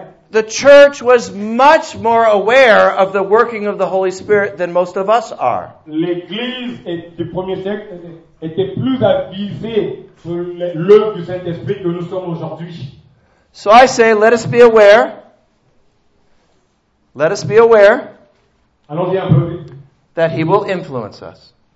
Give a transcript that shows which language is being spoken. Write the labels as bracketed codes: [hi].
[en] The church was much more aware of the working of the Holy Spirit than most of us are. [fr] L'église du premier siècle était plus avisée sur l'œuvre du Saint-Esprit que nous sommes aujourd'hui. [en] So I say, let us be aware. Let us be aware that he will influence us.